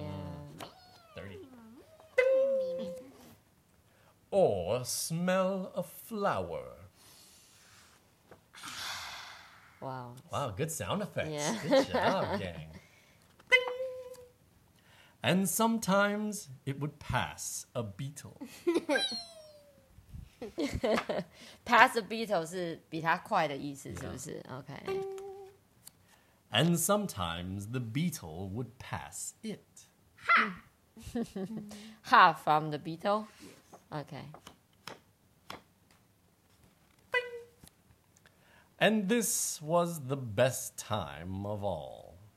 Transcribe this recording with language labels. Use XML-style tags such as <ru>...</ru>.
<en>Mm. Dirty. Ding! Or smell a flower. Wow, good sound effects. Yeah. Good job, gang. Ding! And sometimes it would pass a beetle. Pass a beetle</en> <zh>是比它快的意思，是不是？OK.</zh> <en>Ding! And sometimes the beetle would pass it. Ha! Ha from the beetle? Okay. Bing! And this was the best time of all.</en>